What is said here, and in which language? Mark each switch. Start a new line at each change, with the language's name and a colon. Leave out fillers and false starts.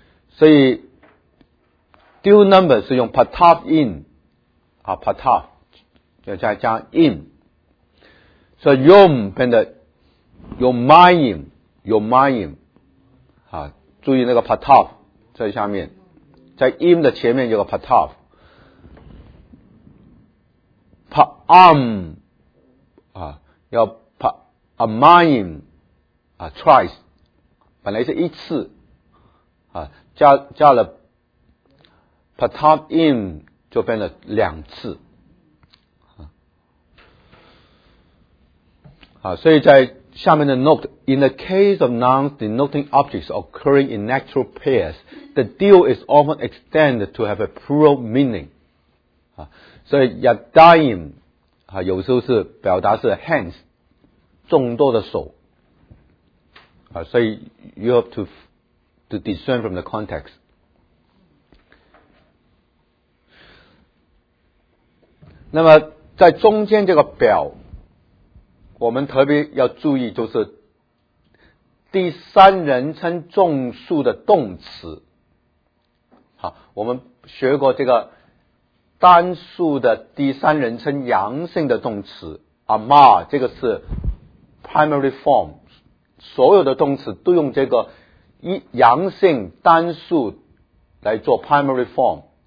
Chinese: 所以 dual number 是用 pataf in pataf 就再加 in， 所以 yom 变得 yomayim yomayim 注意那个 pataf 在下面，在 im 的前面有个 pataf。 pa'am要 pa'amayim twice， 本来是一次加了 pataf in 就变了两次所以在下面的
English: note， in the case of nouns denoting objects occurring in natural pairs， the deal is often extended to have a plural meaning
Chinese: 所以 yadayim 有时候是表达是 hands，众多的手所以
English: you have to discern from the context。
Chinese: 那么在中间这个表，我们特别要注意，就是第三人称众数的动词。好，我们学过这个单数的第三人称阳性的动词 ama， 这个是 primary form， 所有的动词都用这个阳性单数来做 primary form。